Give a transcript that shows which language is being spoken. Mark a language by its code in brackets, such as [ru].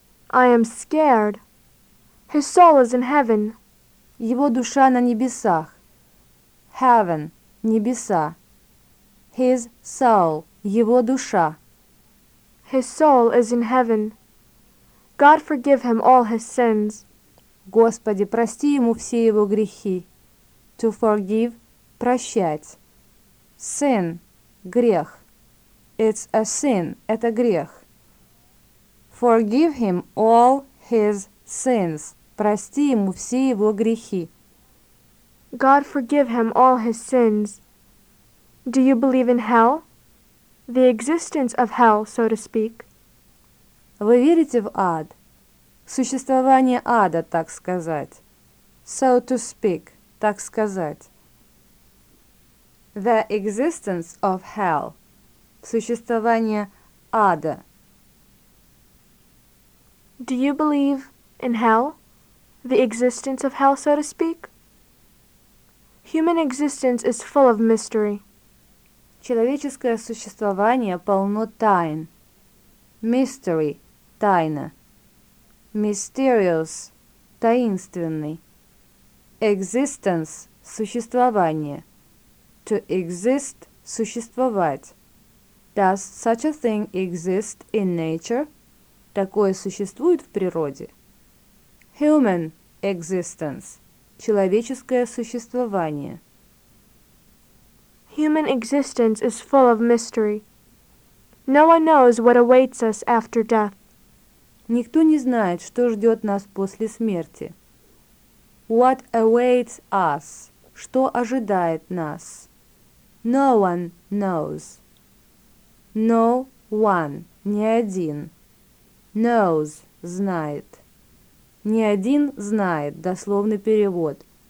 [en] I am scared. His soul is in heaven. [ru] Его душа на небесах. [en] Heaven, небеса. His soul, [ru] его душа. [en] His soul is in heaven. God forgive him all his sins. [ru] Господи, прости ему все его грехи. [en] To forgive, прощать. Sin, грех. It's a sin, [ru] это грех. [en] Forgive him all his sins. [ru] Прости ему все его грехи. [en] God forgive him all his sins. Do you believe in hell? The existence of hell, so to speak. [ru] Вы верите в ад? Существование ада, так сказать. [en] So to speak, [ru] так сказать. [en] The existence of hell. [ru] Существование ада. [en] Do you believe in hell? The existence of hell, so to speak. Human existence is full of mystery. [ru] Человеческое существование полно тайн. [en] Mystery, тайна. Mysterious, таинственный. Existence, существование. To exist, существовать. Does such a thing exist in nature? [ru] Такое существует в природе. [en] Human existence, [ru] человеческое существование. [en] Human existence is full of mystery. No one knows what awaits us after death. [ru] Никто не знает, что ждет нас после смерти. [en] What awaits us? [ru] Что ожидает нас? [en] No one knows. No one, [ru] ни один. [en] Knows, знает. [ru] Ни один знает, дословный перевод.